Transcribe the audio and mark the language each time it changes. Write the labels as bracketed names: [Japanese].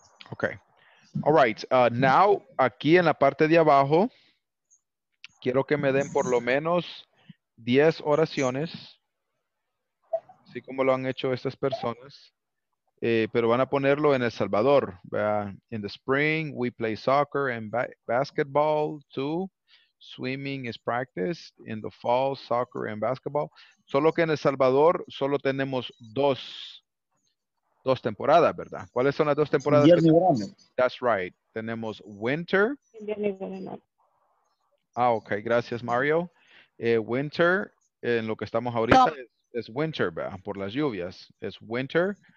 [English] Okay. All right. Now, [Spanish] aquí en la parte de abajo, quiero que me den por lo menos 10 oraciones, así como lo han hecho estas personas, pero van a ponerlo en El Salvador. [English] In the spring, we play soccer and basketball too. Swimming is practiced. In the fall, soccer and basketball. [Spanish] Solo que en El Salvador solo tenemos dos temporadas, ¿verdad? ¿Cuáles son las dos temporadas? Invierno y verano. [English] That's right. [Spanish] Tenemos [English] winter. [Spanish] Invierno y verano. Ah, okay. Gracias, Mario. Winter, en lo que estamos ahorita, es winter, ¿verdad? Por las lluvias. Es winter.